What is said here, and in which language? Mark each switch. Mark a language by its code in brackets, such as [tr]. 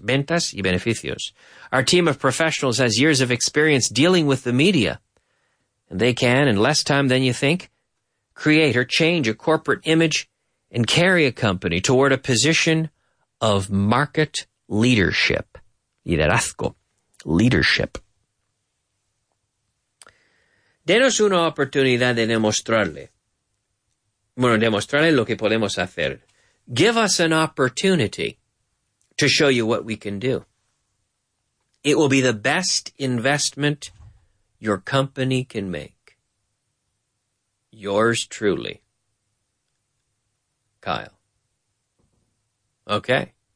[es] Ventas y beneficios. [en] Our team of professionals has years of experience dealing with the media. And they can, in less time than you think, create or change a corporate image and carry a company toward a position of market leadership. Liderazgo. Leadership. [es] Denos una oportunidad de demostrarle lo que podemos hacer. [en] Give us an opportunity to show you what we can do. It will be the best investment your company can make. Yours truly, Kyle. Okay.